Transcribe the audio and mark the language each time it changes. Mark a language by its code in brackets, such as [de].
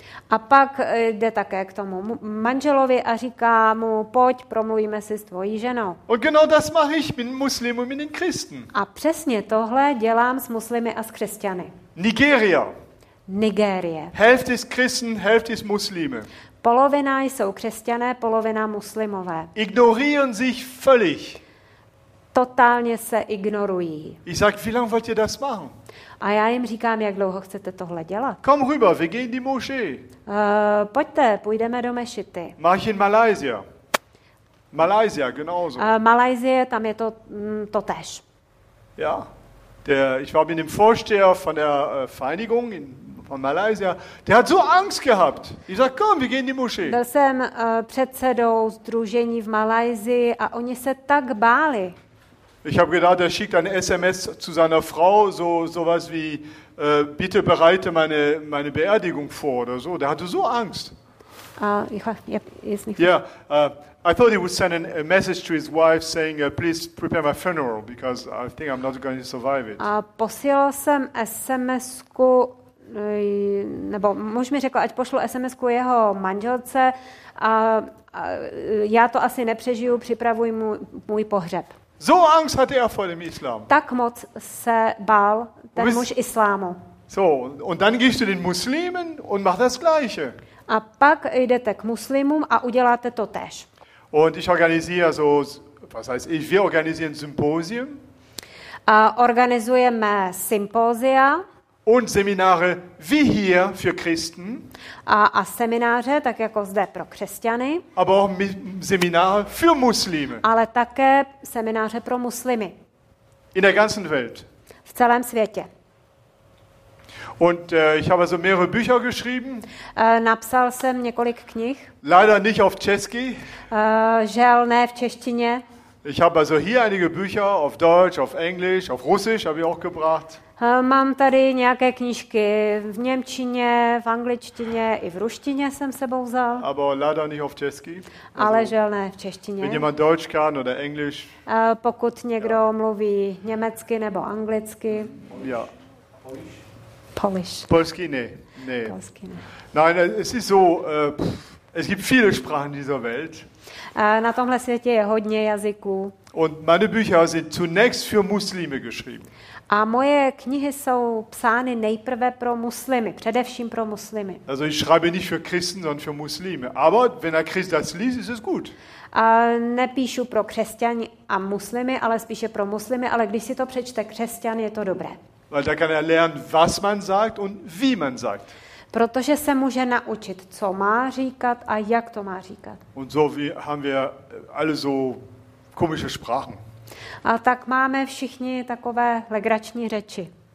[cs] A pak jde také k tomu manželovi a říká mu, pojď, promluvíme si s tvojí ženou. [de] Und genau das mache ich mit Muslimen und mit den Christen. [cs] A přesně tohle dělám s muslimy a s křesťany. [de] Nigérie. Hälfte ist Christen, Hälfte ist Muslime. [cs] Polovina jsou křesťané, polovina muslimové. [de] Ignorieren sich völlig. [cs] Totálně se ignorují. [de] Ich sag, wie lange wollt ihr das machen? [cs] A já jim říkám, jak dlouho chcete tohle dělat. [de] Komm rüber, wir gehen in die Moschee. [cs] Pojďte, půjdeme do mešity. [de] Mach in Malaysia. Malaysia, genauso. [cs] Malaysia, tam je to to též. [de] Ja, ich war mit dem Vorsteher von der Vereinigung in von Malaysia. Der hat so Angst gehabt. Ich sag, komm, wir gehen in die Moschee. [cs] Byl jsem předsedou sdružení v Malajzii a oni se tak báli. [de] Ich habe gedacht, er schickt eine SMS zu seiner Frau, sowas wie bitte bereite meine Beerdigung vor oder so. Der hatte so Angst. [en] I thought he would send a message to his wife saying, please prepare my funeral because I think I'm not going to survive it. [cs] A posílal jsem SMSku. Nebo muž mi řekl, ať pošlu SMS-ku jeho manželce a já to asi nepřežiju, připravuj můj pohřeb. [de] So Angst hatte er vor dem Islam. [cs] Tak moc se bál ten muž islámu. [de] So, und dann gehst du den Muslimen und mach das gleiche. [cs] A pak jdete k muslimům a uděláte to též. [de] Und ich organisiere so, was heißt, wir organisieren Symposium. [cs] A organizujeme sympózia. [de] Und Seminare wie hier für Christen. [cs] A semináře, tak jako zde pro křesťany. [de] Aber auch Seminare für Muslime. [cs] Ale také semináře pro muslimy. [de] In der ganzen Welt. [cs] V celém světě. [de] Und ich habe so mehrere Bücher geschrieben. [cs] Napsal jsem několik knih. [de] Leider nicht auf Česky. [cs] Žel ne v češtině. [de] Ich habe also hier einige Bücher auf Deutsch, auf Englisch, auf Russisch habe ich auch gebracht. [cs] Mám tady nějaké knížky v němčině, v angličtině i v ruštině jsem sebou vzal. [de] Aber leider nicht auf Česky. [cs] Ale žel ne v češtině. [de] Wenn jemand Deutsch kann oder Englisch. [cs] Pokud někdo mluví německy nebo anglicky. [de] Ja. [en] Polish. [cs] Polsky ne. Nee. Polsky ne. [de] Nein, es ist so, es gibt viele Sprachen dieser Welt. [cs] Na tomhle světě je hodně jazyků. [de] Und meine Bücher sind zunächst für Muslime geschrieben. [cs] A moje knihy jsou psány nejprve pro muslimy, především pro muslimy. [de] Also ich schreibe nicht für Christen, sondern für Muslime. Aber wenn ein Christ das liest, ist es gut. [cs] A nepíšu pro křesťany a muslimy, ale spíše pro muslimy, ale když si to přečte křesťan, je to dobré. [de] Weil da kann er lernen, was man sagt und wie man sagt. [cs] Protože se může naučit, co má říkat a jak to má říkat. [de] Und so wie haben wir alle so komische Sprachen. [cs] A tak máme všichni takové legrační řeči.